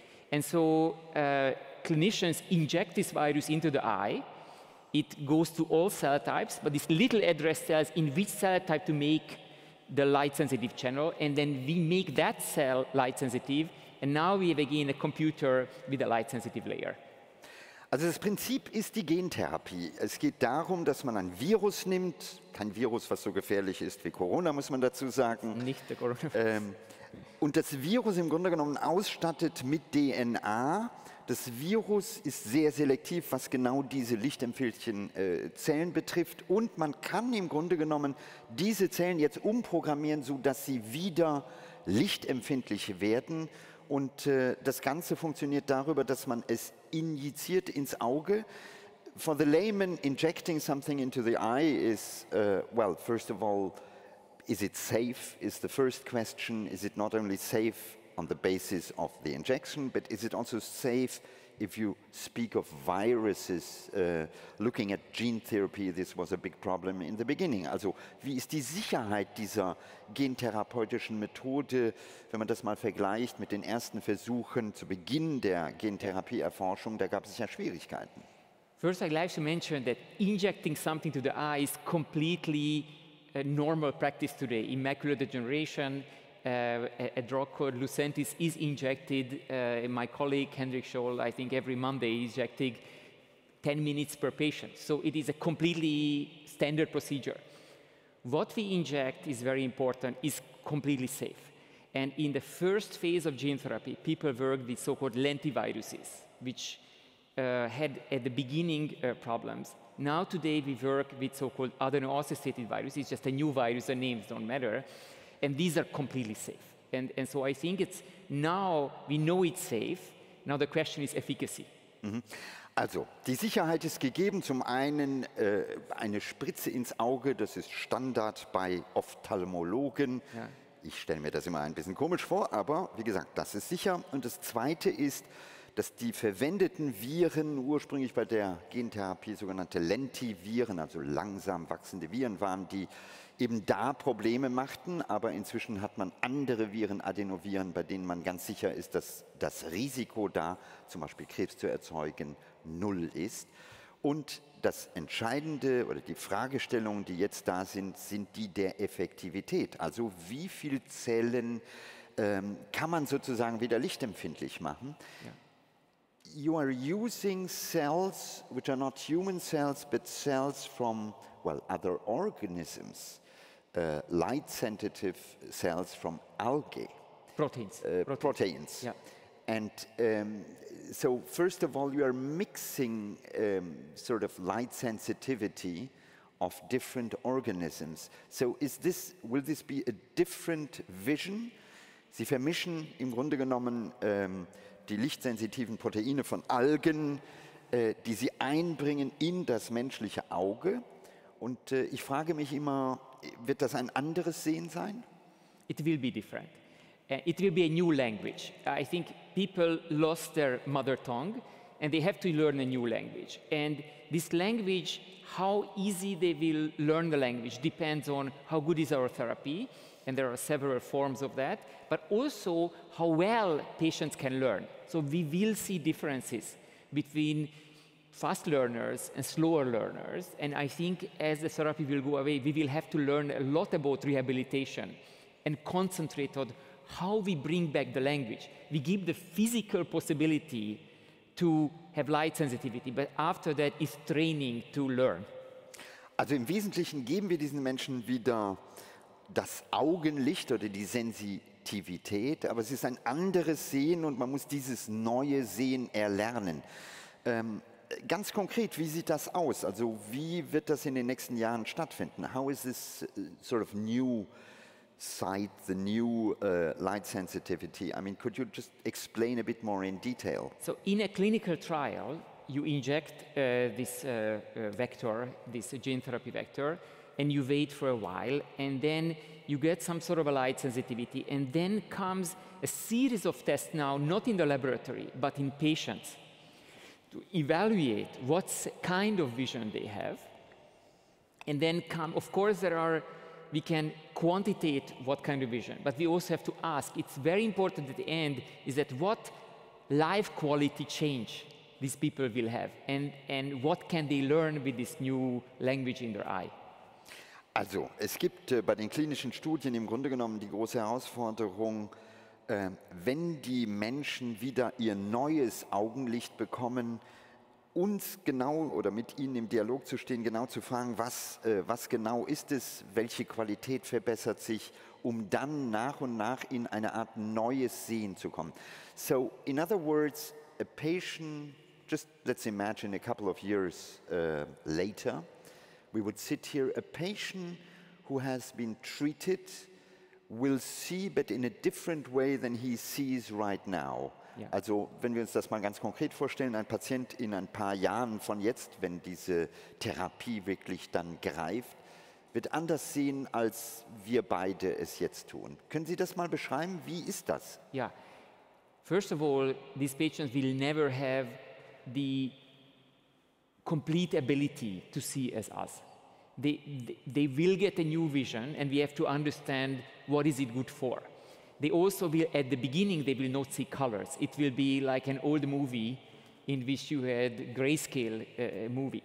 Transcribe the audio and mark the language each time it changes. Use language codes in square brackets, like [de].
[en] And so clinicians inject this virus into the eye. It goes to all cell types, but this little address tells in which cell type to make the light-sensitive channel, and then we make that cell light-sensitive, and now we have again a computer with a light-sensitive layer. [de] Also das Prinzip ist die Gentherapie. Es geht darum, dass man ein Virus nimmt, kein Virus, was so gefährlich ist wie Corona, muss man dazu sagen. Nicht der Corona. Und das Virus im Grunde genommen ausstattet mit DNA. Das Virus ist sehr selektiv, was genau diese lichtempfindlichen Zellen betrifft. Und man kann im Grunde genommen diese Zellen jetzt umprogrammieren, sodass sie wieder lichtempfindlich werden. Und das Ganze funktioniert darüber, dass man es injiziert ins Auge. [en] For the layman, injecting something into the eye is, well, first of all, is it safe, is the first question. Is it not only safe on the basis of the injection, but is it also safe if you speak of viruses? Looking at gene therapy, this was a big problem in the beginning. [de] Also, wie ist die Sicherheit dieser gentherapeutischen Methode, wenn man das mal vergleicht mit den ersten Versuchen zu Beginn der Gentherapieerforschung? Da gab es ja Schwierigkeiten. [en] First, I'd like to mention that injecting something to the eye is completely a normal practice today. In macular degeneration, a drug called Lucentis is injected. My colleague Hendrik Scholl, I think every Monday, is injecting 10 minutes per patient. So it is a completely standard procedure. What we inject is very important, is completely safe. And in the first phase of gene therapy, people worked with so-called lentiviruses, which had at the beginning problems. Now today we work with so-called adeno-associated viruses, just a new virus, the names don't matter. And these are completely safe. And so I think it's now we know it's safe. Now the question is efficacy. Mm-hmm. [de] Also, die Sicherheit ist gegeben. Zum einen eine Spritze ins Auge, das ist Standard bei Ophthalmologen. Ja. Ich stelle mir das immer ein bisschen komisch vor, aber wie gesagt, das ist sicher. Und das Zweite ist, dass die verwendeten Viren ursprünglich bei der Gentherapie sogenannte Lentiviren, also langsam wachsende Viren waren, die eben da Probleme machten, aber inzwischen hat man andere Viren, Adenoviren, bei denen man ganz sicher ist, dass das Risiko da, zum Beispiel Krebs zu erzeugen, null ist. Und das Entscheidende oder die Fragestellungen, die jetzt da sind, sind die der Effektivität. Also wie viele Zellen kann man sozusagen wieder lichtempfindlich machen? Ja. [en] You are using cells, which are not human cells, but cells from, well, other organisms. Light-sensitive cells from algae. Proteins. Proteins. Yeah. And so first of all, you are mixing sort of light sensitivity of different organisms. So is this, will this be a different vision? [de] Sie vermischen im Grunde genommen die lichtsensitiven Proteine von Algen, die Sie einbringen in das menschliche Auge. Und ich frage mich immer, wird das ein anderes Sehen sein? [en] It will be different. It will be a new language. I think people lost their mother tongue and they have to learn a new language. And this language, how easy they will learn the language depends on how good is our therapy. And there are several forms of that, but also how well patients can learn. So we will see differences between fast learners and slower learners. And I think as the therapy will go away, we will have to learn a lot about rehabilitation and concentrate on how we bring back the language. We give the physical possibility to have light sensitivity, but after that is training to learn. [de] Also im Wesentlichen geben wir diesen Menschen wieder das Augenlicht oder die Sensitivität, aber es ist ein anderes Sehen und man muss dieses neue Sehen erlernen. Ganz konkret, wie sieht das aus? Also wie wird das in den nächsten Jahren stattfinden? [en] How is this sort of new sight, the new light sensitivity? I mean, could you just explain a bit more in detail? So in a clinical trial, you inject this vector, this gene therapy vector, and you wait for a while, and then you get some sort of a light sensitivity, and then comes a series of tests now, not in the laboratory, but in patients, to evaluate what kind of vision they have. And then come, of course, there are, we can quantitate what kind of vision, but we also have to ask, it's very important at the end, is that what life quality change these people will have, and what can they learn with this new language in their eye? [de] Also, es gibt bei den klinischen Studien im Grunde genommen die große Herausforderung, wenn die Menschen wieder ihr neues Augenlicht bekommen, uns genau oder mit ihnen im Dialog zu stehen, genau zu fragen, was genau ist es, welche Qualität verbessert sich, um dann nach und nach in eine Art neues Sehen zu kommen. [en] So, in other words, a patient, just let's imagine a couple of years later, we would sit here, a patient who has been treated will see, but in a different way than he sees right now. Yeah. [de] Also, wenn wir uns das mal ganz konkret vorstellen, ein Patient in ein paar Jahren von jetzt, wenn diese Therapie wirklich dann greift, wird anders sehen, als wir beide es jetzt tun. Können Sie das mal beschreiben? Wie ist das? [en] Yeah. First of all, these patients will never have the complete ability to see as us. They will get a new vision and we have to understand what is it good for. They also will, at the beginning, they will not see colors. It will be like an old movie in which you had grayscale movie.